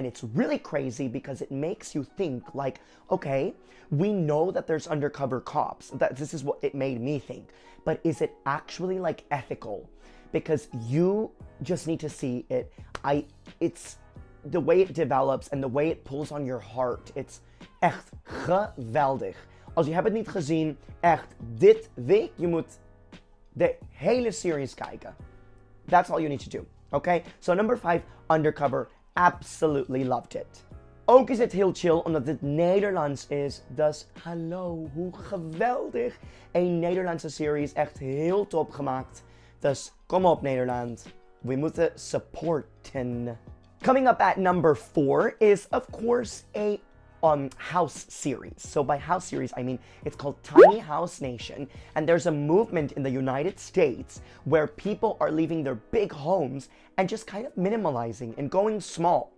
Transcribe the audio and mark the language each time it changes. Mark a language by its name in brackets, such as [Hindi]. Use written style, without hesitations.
[English] And it's really crazy because it makes you think like, okay, we know that there's undercover cops. That this is what it made me think. But is it actually like ethical? Because you just need to see it. It's the way it develops and the way it pulls on your heart. It's [Dutch] echt geweldig. Als je hebt het niet gezien, echt dit week, je moet de hele series kijken. [English] That's all you need to do. Okay, so number five, Undercover, absolutely loved it. [Dutch] Ook is het heel chill, omdat het Nederlands is. Dus, hallo, hoe geweldig. Een Nederlandse serie is echt heel top gemaakt. Dus, kom op Nederland. We moeten supporten. [English] Coming up at number four is, of course, a house series. So by house series, I mean, it's called Tiny House Nation. And there's a movement in the United States where people are leaving their big homes and just kind of minimalizing and going small.